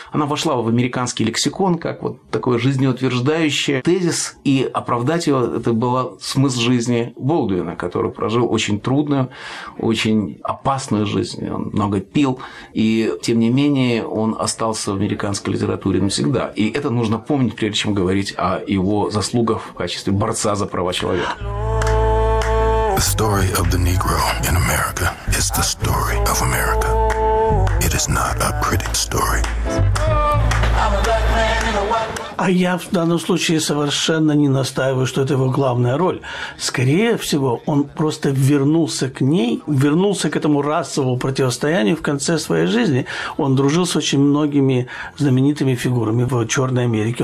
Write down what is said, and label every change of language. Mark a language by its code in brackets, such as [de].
[ru] Она вошла в американский лексикон как вот такой жизнеутверждающий тезис, и оправдать его – это был смысл жизни Болдуина, который прожил очень трудную, очень опасную жизнь. Он много пил, и тем не менее он остался в американской литературе навсегда. И это нужно помнить, прежде чем говорить о его заслугах в качестве борца за права человека. [en] The story of the Negro in America is the story of America. It is not a pretty story. [ru] А я в данном случае совершенно не настаиваю, что это его главная роль. Скорее всего, он просто вернулся к ней, вернулся к этому расовому противостоянию в конце своей жизни. Он дружил с очень многими знаменитыми фигурами в Черной Америке.